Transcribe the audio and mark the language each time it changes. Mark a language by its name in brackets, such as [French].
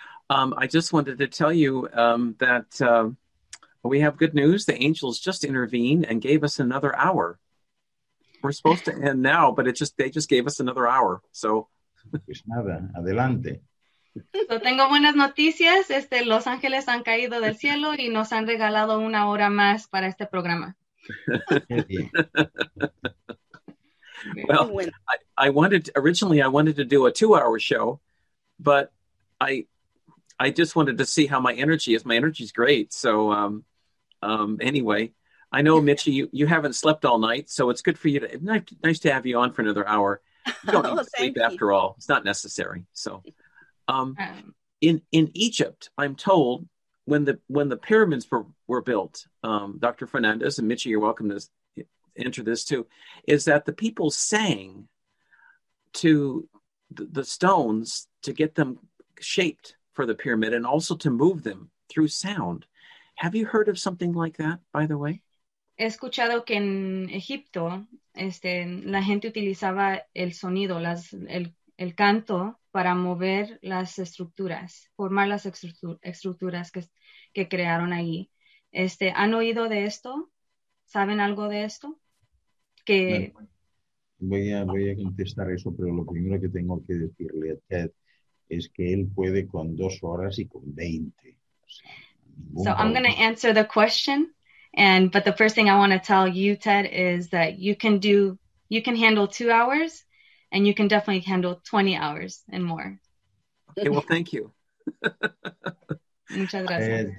[English] I just wanted to tell you that we have good news. The angels just intervened and gave us another hour. We're supposed to end now, but they just gave us another hour. So, [Spanish] pues nada, adelante. So tengo buenas noticias. Los ángeles han caído del cielo y nos han regalado una hora más para este programa. [English] Well, I wanted to do a 2-hour show, but I just wanted to see how my energy is. My energy is great. So anyway, I know, Mitchie, you haven't slept all night, so it's good for you to, nice to have you on for another hour. You don't need to sleep after all. It's not necessary. So in Egypt, I'm told when the pyramids were built, Dr. Fernandez and Mitchie, you're welcome to enter this too, is that the people sang to the stones to get them shaped for the pyramid and also to move them through sound. Have you heard of something like that, by the way? [Spanish] He escuchado que en Egipto la gente utilizaba el sonido, el canto para mover las estructuras, formar las estructuras que crearon allí. ¿Han oído de esto? ¿Saben algo de esto? Bueno, voy a contestar eso, pero lo primero que tengo que decirle a Ted es que él puede con 2 horas y con 20. [English] So I'm going to answer the question, but the first thing I want to tell you, Ted, is that you can handle 2 hours, and you can definitely handle 20 hours and more. Okay, well, thank you. [Spanish] Muchas gracias.